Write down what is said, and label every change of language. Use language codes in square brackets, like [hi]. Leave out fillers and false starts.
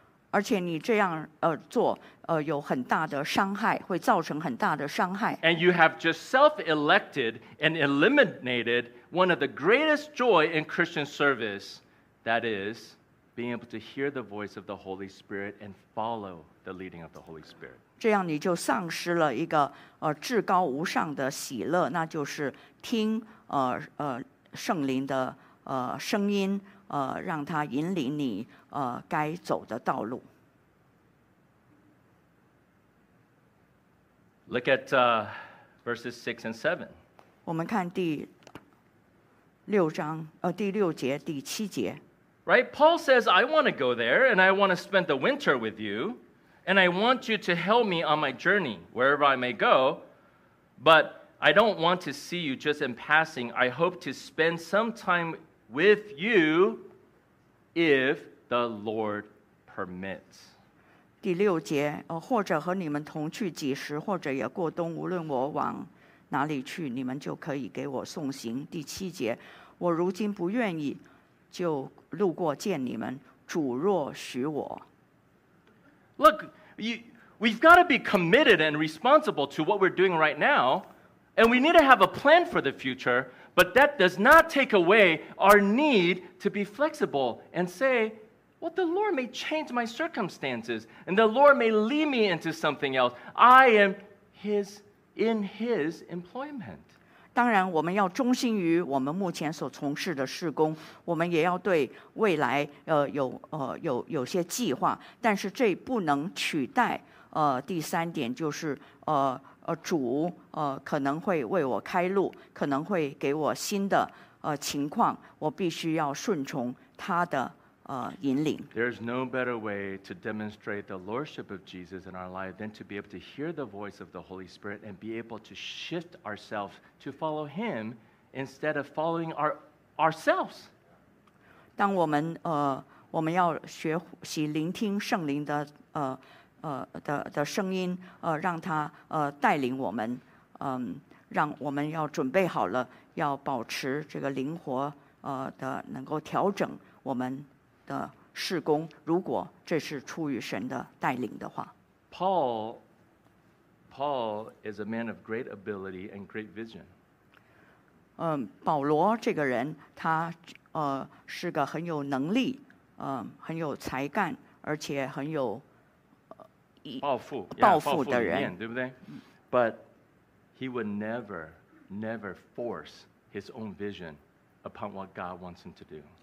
[zh] 而且你这样做有很大的伤害，会造成很大的伤害。 [en] And you have just self-elected and eliminated one of the greatest joy in Christian service, that is, being able to hear the voice of the Holy Spirit and follow the leading of the Holy Spirit. [zh] 这样你就丧失了一个至高无上的喜乐，那就是听圣灵的声音，让他引领你该走的道路。 [en] Look at verses 6 and 7. [zh] 我们看第六章第六节第七节。 [en] Right, Paul says, I want to go there and I want to spend the winter with you and I want you to help me on my journey wherever I may go, but I don't want to see you just in passing. I hope to spend some time with you if the Lord permits. [zh] 第六节或者和你们同去几时或者也过冬无论我往哪里去你们就可以给我送行。第七节我如今不愿意就路过见你们主若许我。 [en] Look, we've got to be committed and responsible to what we're doing right now, and we need to have a plan for the future, but that does not take away our need to be flexible and say, well, the Lord may change my circumstances, and the Lord may lead me into something else. I am in his employment. [zh] 当然我们要忠心于我们目前所从事的事工，我们也要对未来有些计划，但是这不能取代第三点，就是主可能会为我开路，可能会给我新的情况，我必须要顺从他的引领。 [en] There's no better way to demonstrate the lordship of Jesus in our life than to be able to hear the voice of the Holy Spirit and be able to shift ourselves to follow Him instead of following ourselves. [zh] 当我们要学习聆听圣灵的声音，让他带领我们，让我们要准备好了，要保持这个灵活的，能够调整我们。的事工，如果这是出于神的带领的话。 [en] Paul is a man of great ability and great vision. [zh] 保罗这个人，他是个很有能力，很有才干，而且很有抱负的人，对不对？ [en] But he would never, never force his own vision upon what God wants him to do.